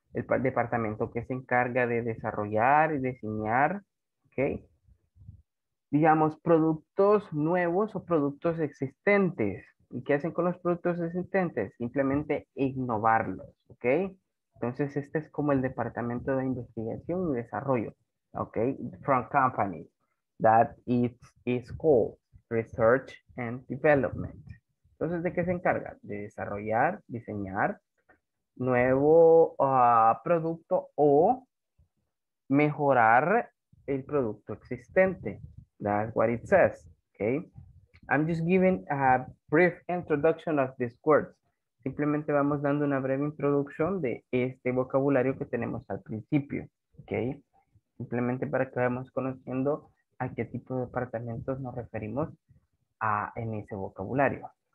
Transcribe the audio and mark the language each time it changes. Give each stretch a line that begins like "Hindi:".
Spanish: El departamento que se encarga de desarrollar y diseñar, okay? Digamos, productos nuevos o productos existentes. ¿Y qué hacen con los productos existentes? Simplemente innovarlos, okay? Entonces, este es como el departamento de investigación y desarrollo, ¿ok?
English: From company, that is called research and development.
Spanish: Entonces, ¿de qué se encarga? De desarrollar, diseñar nuevo producto o mejorar el producto existente.
English: That's what it says, ¿ok? I'm just giving a brief introduction of these words.
Spanish: Simplemente vamos dando una breve introducción de este vocabulario que tenemos al principio, ¿ok? Simplemente para que vayamos conociendo a qué tipo de departamentos nos referimos a, en ese vocabulario.